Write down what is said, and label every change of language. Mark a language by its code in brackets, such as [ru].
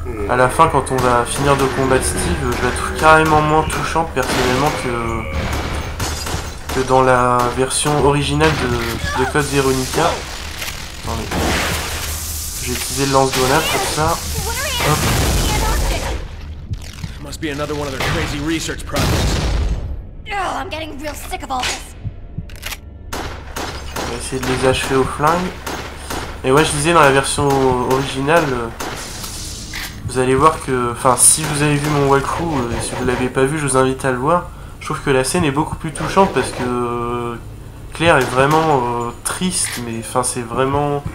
[fr] À la fin, quand on va finir de combattre Steve, je la trouve carrément moins touchante, personnellement, que dans la version originale de Code Veronica. Mais... J'ai utilisé le lance-grenade pour ça. Hop. [en] Be another one of their crazy research projects. Oh, I'm getting real sick of all this. [fr] On va essayer de les achever au flingue. Et ouais, je disais dans la version originale, vous allez voir que, enfin, si vous avez vu mon walkthrough, et si vous l'avez pas vu, je vous invite à le voir. Je trouve que la scène est beaucoup plus touchante parce que Claire est vraiment triste, mais enfin, c'est vraiment.